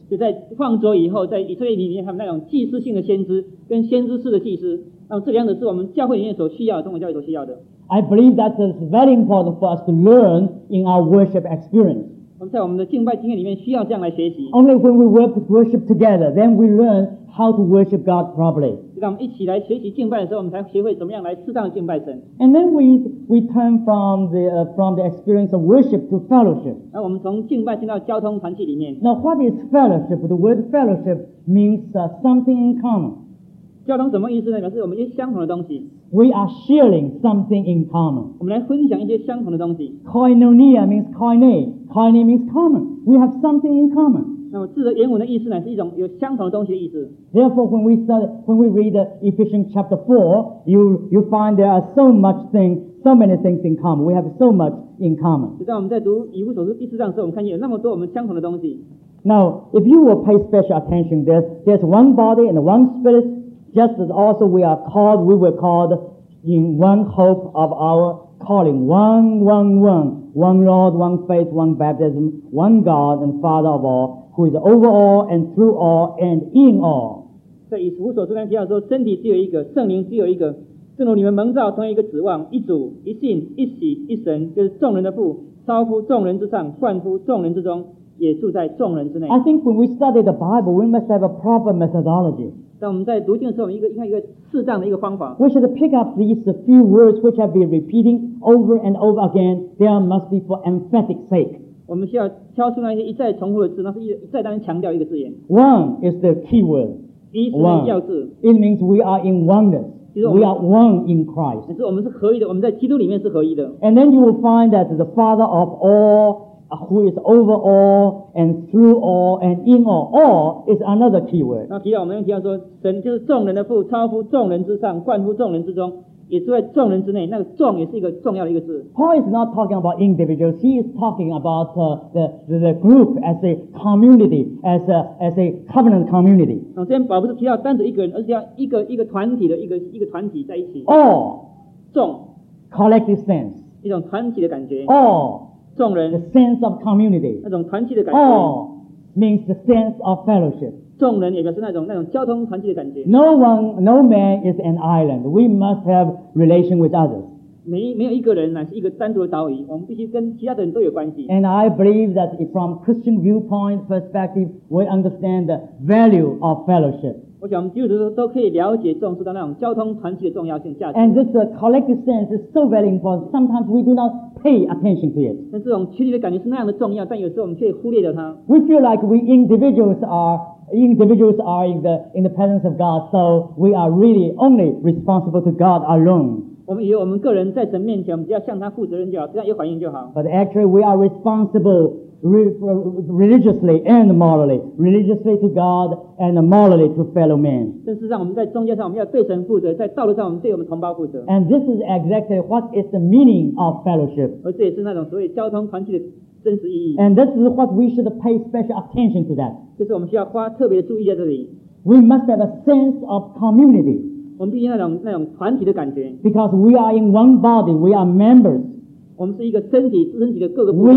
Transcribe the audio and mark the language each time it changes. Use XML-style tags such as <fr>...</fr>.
<zh>就在放逐以后，在以色列里面，他们那种祭司性的先知跟先知式的祭司，那么这两者是我们教会里面所需要，中国教会所需要的。</zh> <en>I believe that is very important for us to learn in our worship experience.</en> <zh>我们在我们的敬拜经验里面需要这样来学习。</zh> <en>Only when we worship together, then we learn how to worship God properly.</en> <zh>让我们一起来学习敬拜的时候，我们才学会怎么样来适当的敬拜神。</zh> <en>And then we turn from the experience of worship to fellowship.</en> <zh>那我们从敬拜进到交通团契里面。</zh> <en>Now what is fellowship? The word fellowship means something in common.</en> <zh>交通什么意思呢？表示我们一些相同的东西。</zh> <en>We are sharing something in common.</en> <zh>我们来分享一些相同的东西。</zh> <en>Koinonia means koine. Koine means common. We have something in common.</en> <zh>那么字的原文的意思呢，是一种有相同的东西的意思。</zh> <en>Therefore, when we read Ephesians chapter 4, you find there are so many things in common. We have so much in common.</en> <zh>就在我们在读以弗所书第四章的时候，我们看见有那么多我们相同的东西。</zh> <en>Now, if you will pay special attention, there's one body and one spirit, just as also we were called in one hope of our calling. One Lord, one faith, one baptism, one God and Father of all, who is over all and through all and in all.</en> <zh>在以弗所书提到说，真理只有一个，圣灵只有一个，正如你们蒙召同一个指望，一主、一信、一喜、一神，就是众人的父，超乎众人之上，冠乎众人之中，也住在众人之内。</zh> <en>I think when we study the Bible, we must have a proper methodology.</en> <zh>但我们在读经的时候，应该一个适当的一个方法。</zh> <en>We should pick up these few words which have been repeating over and over again. They must be for emphatic sake.</en> <zh>我们需要挑出那些一再重复的字，那是一再当然强调一个字眼。</zh> <en>One is the key word.</en> <zh>一是要字。</zh> <en>One. It means we are in oneness. We are one in Christ.</en> <zh>是我们是合一的，我们在基督里面是合一的。</zh> <en>And then you will find that the Father of all, who is over all. And through all and in all is another key word.</en> <zh>那提到我们用提到说，神就是众人的父，超乎众人之上，冠乎众人之中，也住在众人之内。那个众也是一个重要的一个字。</zh> <en>Paul is not talking about individuals. He is talking about the group as a community, as a covenant community.</en> <zh>那这边保不是提到单独一个人，而是要一个团体的一个团体在一起。</zh> <en>All</en> <zh>众</zh> <en>collective sense</en> <zh>一种团体的感觉。</zh> <en>All.</en> <zh>众人</zh> <en>the sense of community</en> <zh>那种团契的感觉</zh> <en>all means the sense of fellowship.</en> <zh>众人也就是那种交通团结的感觉。</zh> <en>No one, no man is an island. We must have relation with others.</en> <zh>没有一个人乃是一个单独的岛屿，我们必须跟其他的人都有关系。</zh> <en>And I believe that from Christian viewpoint perspective, we understand the value of fellowship.</en> <zh>我想我们基督徒都可以了解重视到那种交通团结的重要性价值。</zh> <en>And this collective sense is so very important. Sometimes we do not pay attention to it.</en> <zh>那这种群体的感觉是那样的重要，但有时候我们却忽略了它。</zh> <en>We feel like we individuals are in the presence of God, so we are really only responsible to God alone.</en> <zh>我们以为我们个人在神面前，我们只要向他负责任就好，只要有反应就好。</zh> <en>But actually, we are responsible. Religiously and morally, religiously to God and morally to fellow men.</en> <zh>事实上，我们在宗教上我们要对神负责，在道路上我们对我们同胞负责。</zh> <en>And this is exactly what is the meaning of fellowship.</en> <zh>而这也是那种所谓交通团契的真实意义。</zh> <en>And this is what we should pay special attention to that.</en> <zh>就是我们需要花特别的注意在这里。</zh> <en>We must have a sense of community.</en> <zh>我们必须那种团体的感觉。</zh> <en>Because we are in one body, we are members.</en> <zh>我们是一个身体的各个部分。</zh>